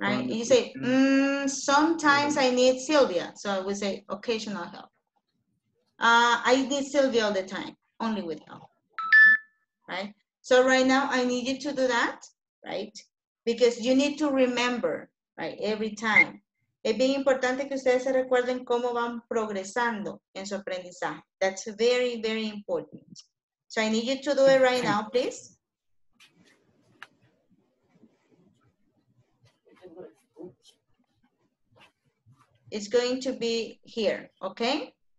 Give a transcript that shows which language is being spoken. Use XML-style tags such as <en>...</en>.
<en>Right? You say, sometimes I need Sylvia. So I would say, occasional help. I need Sylvia all the time, only with help. Right? So right now, I need you to do that, right? Because you need to remember, right, every time.</en> <es>Es bien importante que ustedes se recuerden cómo van progresando en su aprendizaje.</es> <en>That's very, very important. So I need you to do it right now, please. It's going to be here, okay?</en>